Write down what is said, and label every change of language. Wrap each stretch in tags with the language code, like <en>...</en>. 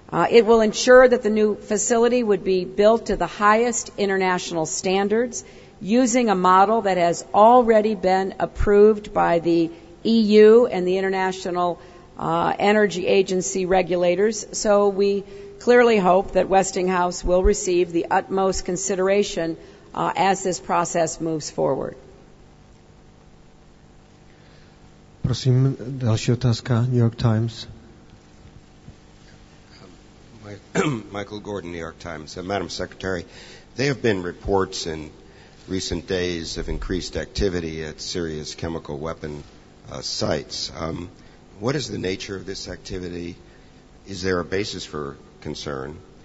<en>It will ensure that the new facility would be built to the highest international standards, using a model that has already been approved by the EU and the International Energy Agency regulators. So we clearly hope that Westinghouse will receive the utmost consideration as this process moves forward.</en> <cs>Prosím, další otázka, New York Times.</cs> <en>Michael Gordon, New York Times. Madam Secretary, there have been reports in recent days of increased activity at serious chemical weapon sites. What is the nature of this activity? Is there a basis for concern?</en>